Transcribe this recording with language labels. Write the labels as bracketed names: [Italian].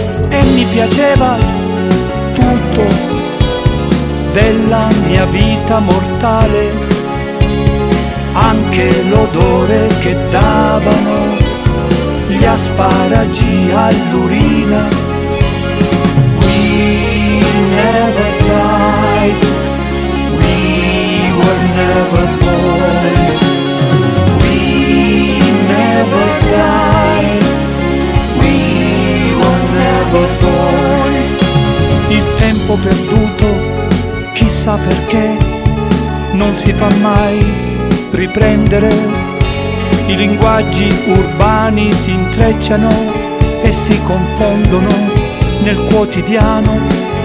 [Italian] E mi piaceva tutto della mia vita mortale, anche l'odore che davano gli asparagi all'urina. [English] We never died, we were never born. We never died, we were never born. [Italian] Il tempo perduto, chissà perché, non si fa mai riprendere. I linguaggi urbani si intrecciano e si confondono nel quotidiano.